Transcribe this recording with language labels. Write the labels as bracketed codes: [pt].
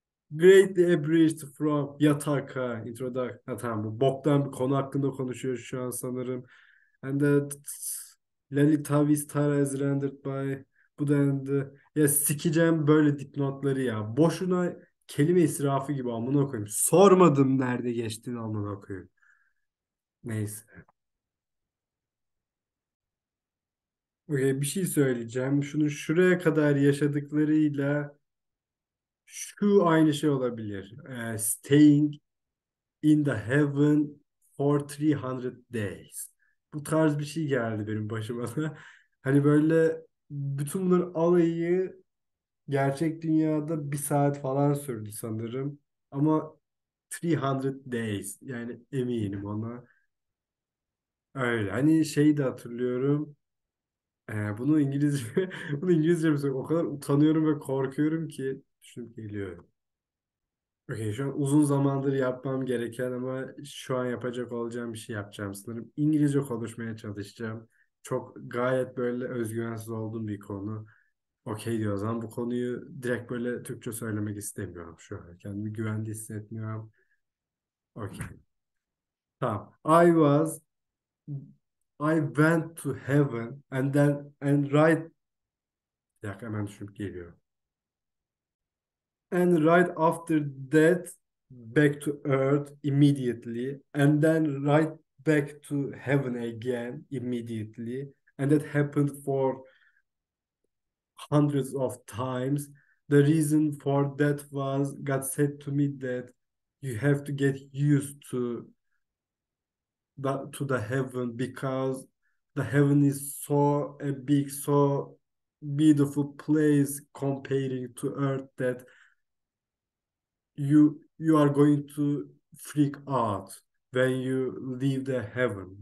[en] Greatly abridged from Yataka introduction. [tr] Ha, tamam, bu boktan bir konu hakkında konuşuyor şu an sanırım. [en] And that Lalitavis Tara is rendered by Buda. [tr] Ya sikeceğim böyle dipnotları ya. Boşuna kelime israfı gibi amına koyayım. Sormadım nerede geçtiğini amına koyayım. Neyse. Okay, bir şey söyleyeceğim. Şunu şuraya kadar yaşadıklarıyla şu aynı şey olabilir. [en] Staying in the heaven for 300 days. [tr] Bu tarz bir şey geldi benim başıma da. Hani böyle bütün bunların alayı gerçek dünyada bir saat falan sürdü sanırım. Ama [en] 300 days. [tr] Yani eminim ona. Öyle. Hani şeyi de hatırlıyorum. Bunu İngilizce bunu İngilizce mi söylüyorum? O kadar utanıyorum ve korkuyorum ki. Şimdi geliyorum. Okay, şu an uzun zamandır yapmam gereken ama şu an yapacak olacağım bir şey yapacağım sanırım. İngilizce konuşmaya çalışacağım. Çok gayet böyle özgüvensiz olduğum bir konu. Okey diyor. O zaman bu konuyu direkt böyle Türkçe söylemek istemiyorum şu an. Kendimi güvende hissetmiyorum. Okey. Tamam. [en] I went to heaven and [tr] bir dakika hemen düşünüp geliyor. [en] And right after that back to earth immediately and then right back to heaven again immediately and that happened for hundreds of times. The reason for that was God said to me that you have to get used to the heaven because the heaven is so a big, so beautiful place comparing to earth that you are going to freak out when you leave the heaven.